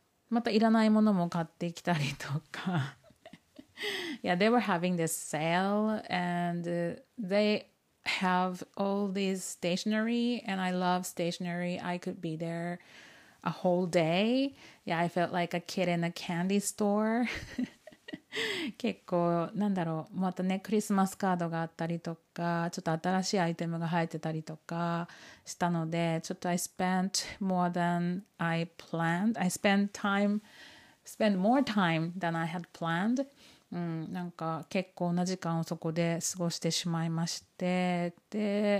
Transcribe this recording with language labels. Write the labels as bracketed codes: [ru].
[ja] またいらないものも買ってきたりとか [en] Yeah, they were having this sale and they have all these stationery and I love stationery. I could be there a whole day. Yeah, I felt like a kid in a candy store. [ja] 結構なんだろう、またねクリスマスカードがあったりとか、ちょっと新しいアイテムが入ってたりとかしたので、ちょっと [en] I spent more than I planned. I spent more time than I had planned. [ja] なんか結構な時間をそこで過ごしてしまいまして、で、